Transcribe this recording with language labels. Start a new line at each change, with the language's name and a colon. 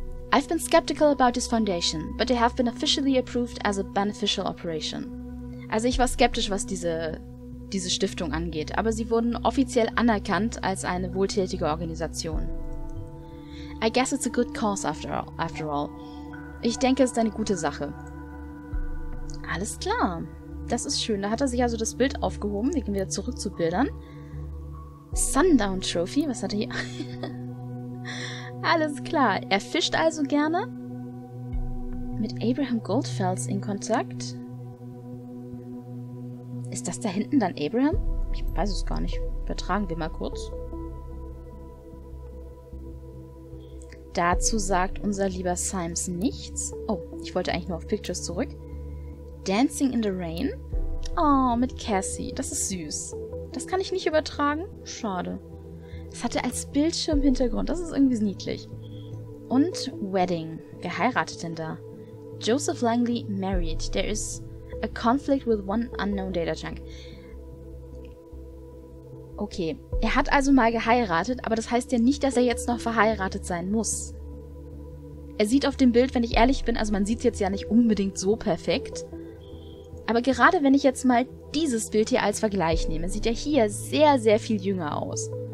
English: I've been skeptical about this foundation, but they have been officially approved as a beneficial operation.
German: Also ich war skeptisch, was diese Stiftung angeht, aber sie wurden offiziell anerkannt als eine wohltätige Organisation.
English: I guess it's a good cause after all.
German: Ich denke, es ist eine gute Sache. Alles klar. Das ist schön. Da hat er sich also das Bild aufgehoben. Wir gehen wieder zurück zu Bildern. Sundown Trophy. Was hat er hier? Alles klar. Er fischt also gerne. Mit Abraham Goldfells in Kontakt. Ist das da hinten dann Abraham? Ich weiß es gar nicht. Übertragen wir mal kurz. Dazu sagt unser lieber Symes nichts. Oh, ich wollte eigentlich nur auf Pictures zurück. Dancing in the Rain? Oh, mit Cassie. Das ist süß. Das kann ich nicht übertragen. Schade. Das hat er als Bildschirmhintergrund. Das ist irgendwie niedlich. Und Wedding. Wer heiratet denn da?
English: Joseph Langley married. There is a conflict with one unknown data chunk. Okay.
German: Er hat also mal geheiratet, aber das heißt ja nicht, dass er jetzt noch verheiratet sein muss. Er sieht auf dem Bild, wenn ich ehrlich bin, also man sieht es jetzt ja nicht unbedingt so perfekt. Aber gerade wenn ich jetzt mal dieses Bild hier als Vergleich nehme, sieht er hier sehr, sehr viel jünger aus.